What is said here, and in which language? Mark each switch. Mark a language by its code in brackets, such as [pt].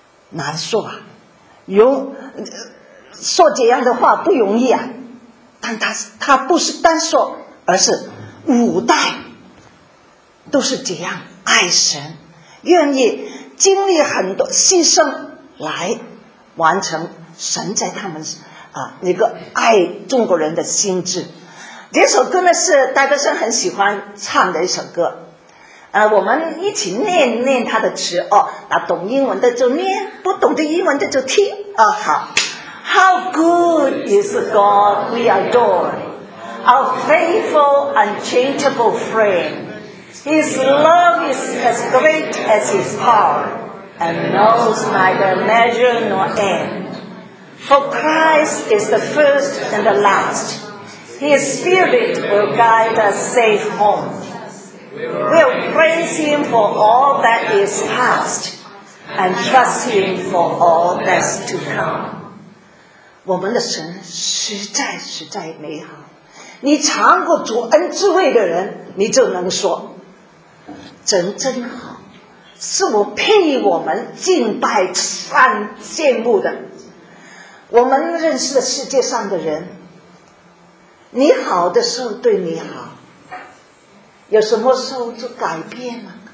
[zh] 难说啊，容说这样的话不容易啊，但他不是单说，而是五代都是这样爱神，愿意经历很多牺牲来完成神在他们那个爱中国人的心志。这首歌呢是戴德生很喜欢唱的一首歌，我们一起念念他的词哦。那懂英文的就念，不懂的英文的就听哦。好。 [en] How good is God we adore, our faithful, unchangeable friend. His love is as great as his power, and knows neither measure nor end. For Christ is the first and the last. His Spirit will guide us safe home. We'll praise him for all that is past, and trust him for all that's to come. [zh] 我们的神实在实在美好，你尝过主恩之味的人，你就能说真真好，是我配我们敬拜赞羡慕的。我们认识的世界上的人，你好的时候对你好，有什么时候就改变了？